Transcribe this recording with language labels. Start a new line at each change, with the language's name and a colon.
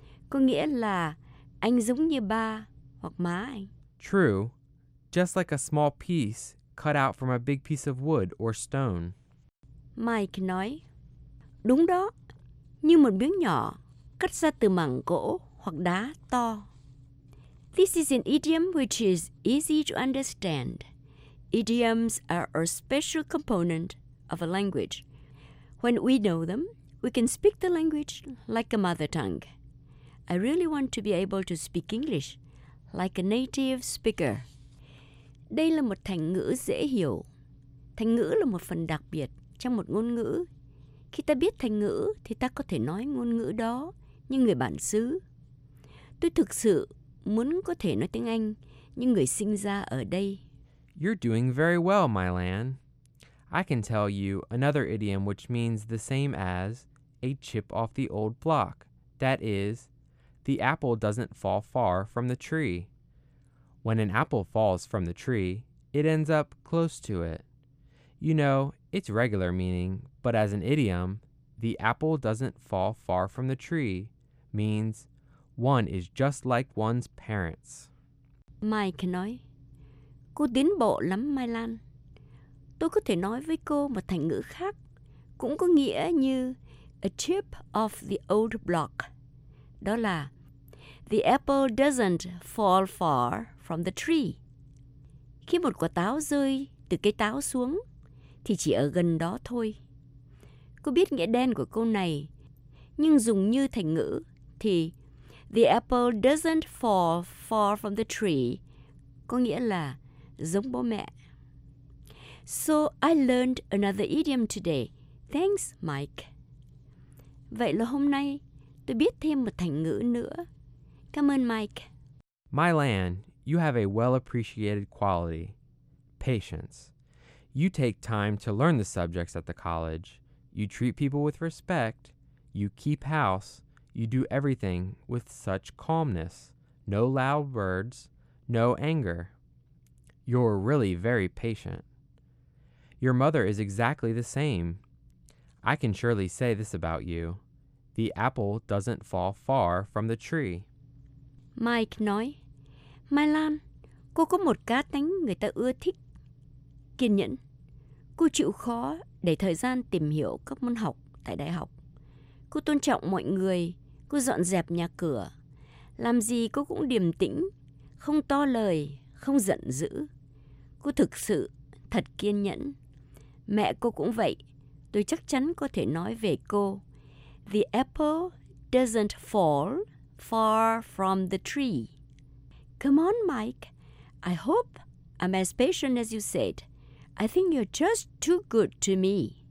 Vietnamese: Có nghĩa là anh giống như ba hoặc má anh.
English: True. Just like a small piece cut out from a big piece of wood or stone.
Vietnamese: Mike nói, đúng đó, như một miếng nhỏ cắt ra từ mảng gỗ hoặc đá to.
English: This is an idiom which is easy to understand. Idioms are a special component of a language. When we know them, we can speak the language like a mother tongue. I really want to be able to speak English like a native speaker.
Vietnamese: Đây là một thành ngữ dễ hiểu. Thành ngữ là một phần đặc biệt trong một ngôn ngữ. Khi ta biết thành ngữ thì ta có thể nói ngôn ngữ đó như người bản xứ. Tôi thực sự muốn có thể nói tiếng Anh như người sinh ra ở đây.
English: You're doing very well, Mylan. I can tell you another idiom which means the same as a chip off the old block. That is, the apple doesn't fall far from the tree. When an apple falls from the tree, it ends up close to it. You know, it's regular meaning, but as an idiom, the apple doesn't fall far from the tree means one is just like one's parents.
Vietnamese: Mike nói, cô tiến bộ lắm, Mai Lan. Tôi có thể nói với cô một thành ngữ khác, cũng có nghĩa như
English: a chip off the old block.
Vietnamese: Đó là,
English: the apple doesn't fall far from the tree.
Vietnamese: Khi một quả táo rơi từ cây táo xuống, thì chỉ ở gần đó thôi. Cô biết nghĩa đen của câu này, nhưng dùng như thành ngữ thì
English: the apple doesn't fall far from the tree
Vietnamese: có nghĩa là giống bố mẹ.
English: So I learned another idiom today. Thanks, Mike.
Vietnamese: Vậy là hôm nay tôi biết thêm một thành ngữ nữa. Cảm ơn, Mike.
English: Mylan, you have a well-appreciated quality, patience. You take time to learn the subjects at the college. You treat people with respect. You keep house. You do everything with such calmness. No loud words, no anger. You're really very patient. Your mother is exactly the same. I can surely say this about you. The apple doesn't fall far from the tree.
Vietnamese: Mike nói, Mai Lan, cô có một cá tính người ta ưa thích. Kiên nhẫn. Cô chịu khó để thời gian tìm hiểu các môn học tại đại học. Cô tôn trọng mọi người. Cô dọn dẹp nhà cửa. Làm gì cô cũng điềm tĩnh, không to lời, không giận dữ. Cô thực sự thật kiên nhẫn. Mẹ cô cũng vậy. Tôi chắc chắn có thể nói về cô.
English: The apple doesn't fall far from the tree. Come on, Mike. I hope I'm as patient as you said. I think you're just too good to me.